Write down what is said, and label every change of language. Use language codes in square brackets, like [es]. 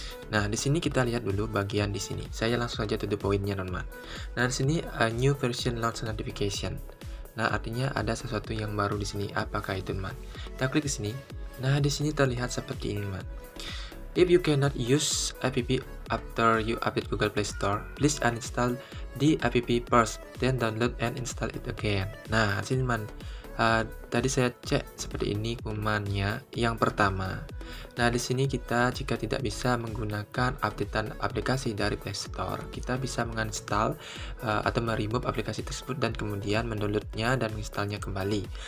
[id] Nah, di sini kita lihat dulu bagian di sini. Saya langsung saja [en] to the point- [id] nya, teman-teman. Nah, di sini [en] a new version launch notification. [id] Nah, artinya ada sesuatu yang baru di sini. Apakah itu, teman? Kita klik di sini. Nah, di sini terlihat seperti ini, teman. [en] If you cannot use app after you update Google Play Store, please uninstall the app first, then download and install it again. [id] Nah, di sini, teman. Tadi saya cek seperti ini pengumumannya yang pertama. Nah, di sini kita jika tidak bisa menggunakan updatean aplikasi dari Play Store, kita bisa menginstall atau meremove aplikasi tersebut dan kemudian mendownloadnya dan menginstalnya kembali.